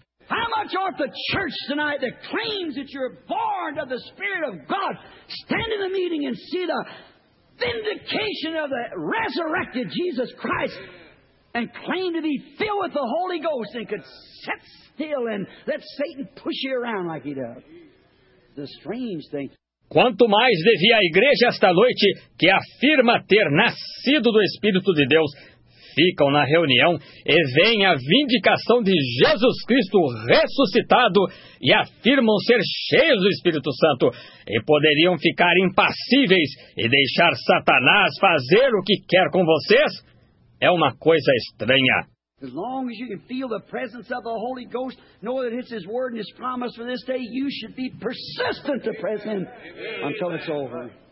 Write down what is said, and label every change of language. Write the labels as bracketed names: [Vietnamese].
[English] How much ought the church tonight that claims that you're born of the Spirit of God stand in the meeting and see the vindication of the resurrected Jesus Christ and claim to be filled with the Holy Ghost and could sit still and let Satan push you around like he does? The strange thing. [Portuguese] Quanto mais devia a igreja esta noite que afirma ter nascido do Espírito de Deus, ficam na reunião e veem a vindicação de Jesus Cristo ressuscitado e afirmam ser cheios do Espírito Santo e poderiam ficar impassíveis e deixar Satanás fazer o que quer com vocês? É uma coisa estranha. [English] As long as you can feel the presence of the Holy Ghost, know that it's His word and His promise for this day, you should be persistent to press Him until it's over.